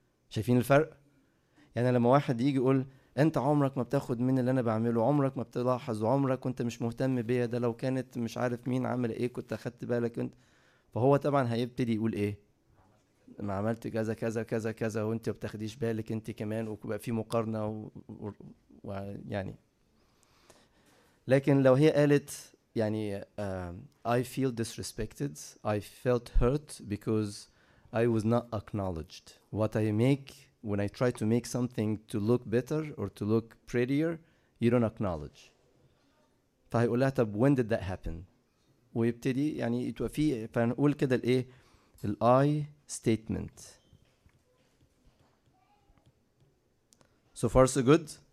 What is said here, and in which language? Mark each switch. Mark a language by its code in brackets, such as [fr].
[ar] شايفين الفرق؟ يعني لما واحد يجي يقول أنت عمرك ما بتاخد من اللي أنا بعمله، عمرك ما بتلاحظ، عمرك كنت مش مهتم بيا، ده لو كانت مش عارف مين عمل إيه كنت أخدت بالك أنت، فهو طبعا هيبتدي يقول إيه؟ ما عملت كذا كذا كذا كذا وأنت بتاخديش بالك أنت كمان، وبقى في مقارنة ويعني. لكن لو هي قالت يعني [en] I feel disrespected, I felt hurt because I was not acknowledged. What I make, when I try to make something to look better or to look prettier, you don't acknowledge. [ar] فهيقول لها طب [en] when did that happen؟ [ar] ويبتدي يعني يتوفي. فنقول كده الايه؟ ال I statement. [en] So far so good.